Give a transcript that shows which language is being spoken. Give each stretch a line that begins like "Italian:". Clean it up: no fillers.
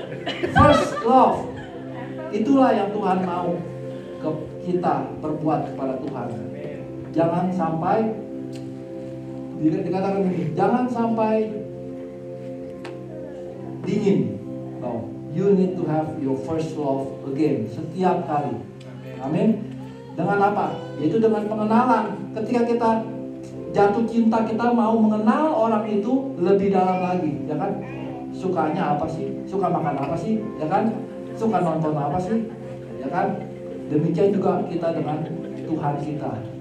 English: First love,
Indonesian: itulah yang Tuhan mau ke kita perbuat kepada Tuhan. Jangan sampai dikatakan ini, jangan sampai dingin.
English: No, you need to have your first love again
Indonesian: setiap hari. Amin. Dengan apa? Yaitu dengan pengenalan. Ketika kita jatuh cinta, kita mau mengenal orang itu lebih dalam lagi, ya kan? Sukanya apa sih? Suka makan apa sih? Ya kan? Suka nonton apa sih? Ya kan? Demikian juga kita dengan Tuhan kita.